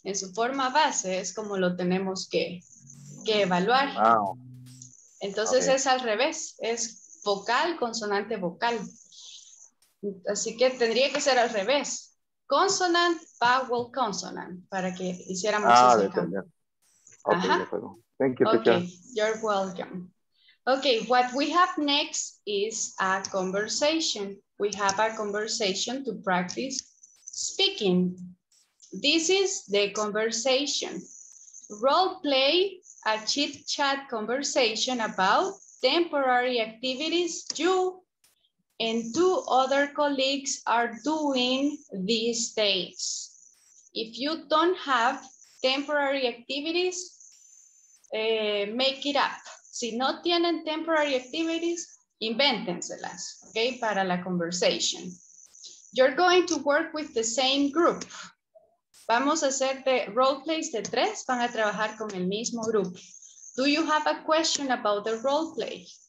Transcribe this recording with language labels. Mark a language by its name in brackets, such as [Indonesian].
[Spanish] En su forma base es como lo tenemos que evaluar. Wow. Entonces okay. Es al revés, es vocal, consonante, vocal. Así que tendría que ser al revés. [English] Consonant, vowel, consonant, [Spanish] para que hiciéramos ese cambio. [English] Okay, thank you, teacher. Okay, you're welcome. Okay, what we have next is a conversation. We have a conversation to practice speaking. This is the conversation. Role play a chit chat conversation about temporary activities you and two other colleagues are doing these days. If you don't have temporary activities, make it up. [Spanish] Si no tienen [English] temporary activities, [Spanish] invéntenselas, okay, para la conversation. [English] You're going to work with the same group. [Spanish] Vamos a hacer de role plays de tres, van a trabajar con el mismo grupo. [English] Do you have a question about the role play?